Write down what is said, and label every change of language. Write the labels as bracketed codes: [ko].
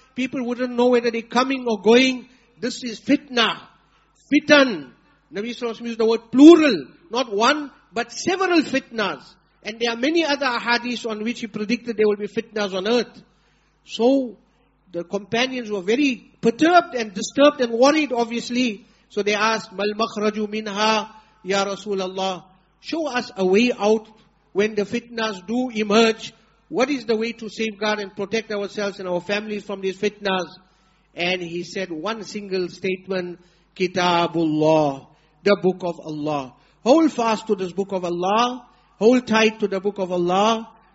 [en] People wouldn't know whether they're coming or going. This is fitna. Fitan. Nabi sallallahu alayhi wa sallam used the word plural. Not one, but several fitnas. And there are many other ahadiths on which he predicted there will be fitnas on earth. So the companions were very perturbed and disturbed and worried, obviously. So they asked, [ar] مَا الْمَخْرَجُ مِنْهَا يَا رَسُولَ اللَّهِ. [en] Show us a way out when the fitnas do emerge. What is the way to safeguard and protect ourselves and our families from these fitnas? And he said one single statement, Kitabullah, the book of Allah. Hold fast to this book of Allah. Hold tight to the book of Allah.